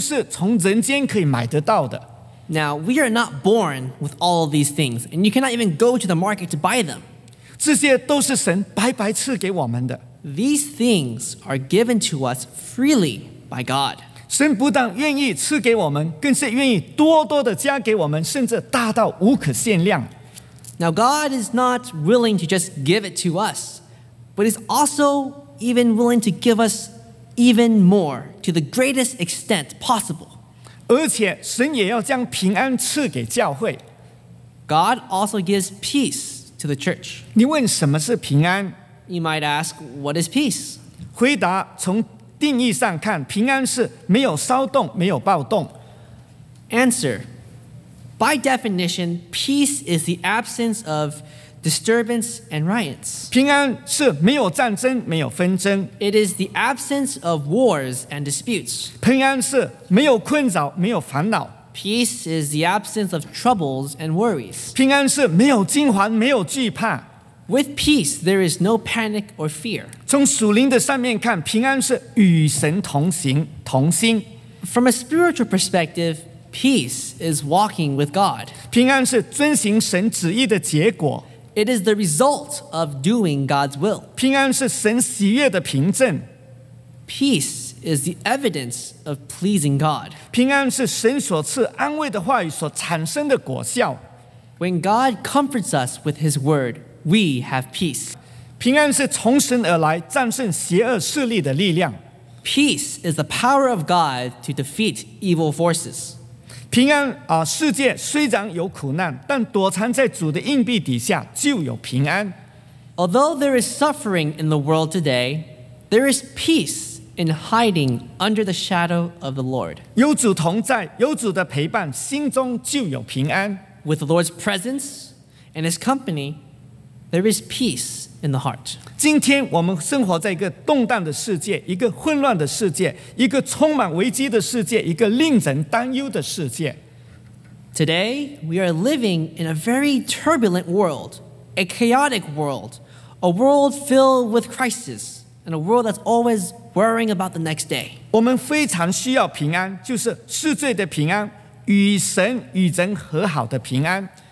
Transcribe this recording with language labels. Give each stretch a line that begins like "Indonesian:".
Chinese: 这一切都不是与生俱来的，也不是从人间可以买得到的。
English: Now, we are not born with all of these things, and you cannot even go to the market to buy them.
Chinese: 这些都是神白白赐给我们的。
English: These things are given to us freely by God.
Chinese: 神不但愿意赐给我们，更是愿意多多地加给我们，甚至大到无可限量。
English: Now, God is not willing to just give it to us, but is also even willing to give us even more to the greatest extent possible.
Chinese: 而且神也要将平安赐给教会。
English: God also gives peace to the church.
Chinese: 你问什么是平安？
English: You might ask, what is peace?
Chinese: 回答，从定义上看，平安是没有骚动，没有暴动。
English: Answer, by definition, peace is the absence of disturbance and riots.
Chinese: 平安是没有战争，没有纷争。
English: It is the absence of wars and disputes.
Chinese: 平安是没有困扰，没有烦恼。
English: Peace is the absence of troubles and worries.
Chinese: 平安是没有惊慌，没有惧怕。
English: With peace, there is no panic or fear.
Chinese: 从属灵的上面看，平安是与神同行，同心。
English: From a spiritual perspective, peace is walking with God.
Chinese: 平安是遵行神旨意的结果。
English: It is the result of doing God's will.
Chinese: 平安是神喜悦的凭证。
English: Peace is the evidence of pleasing God.
Chinese: 平安是神所赐安慰的话语所产生的果效。
English: When God comforts us with His word, we have peace.
Chinese: 平安是从神而来，战胜邪恶势力的力量。
English: Peace is the power of God to defeat evil forces.
Chinese: 平安啊，世界虽然有苦难，但躲藏在主的荫庇底下就有平安。
English: Although there is suffering in the world today, there is peace in hiding under the shadow of the Lord.
Chinese: 有主同在，有主的陪伴，心中就有平安。
English: With the Lord's presence and His company, there is peace in the heart.
Chinese: 今天我们生活在一个动荡的世界，一个混乱的世界，一个充满危机的世界，一个令人担忧的世界。
English: Today, we are living in a very turbulent world, a chaotic world, a world filled with crisis, and a world that's always worrying about the next day.
Chinese: 我们非常需要平安，就是赦罪的平安，与神与人和好的平安。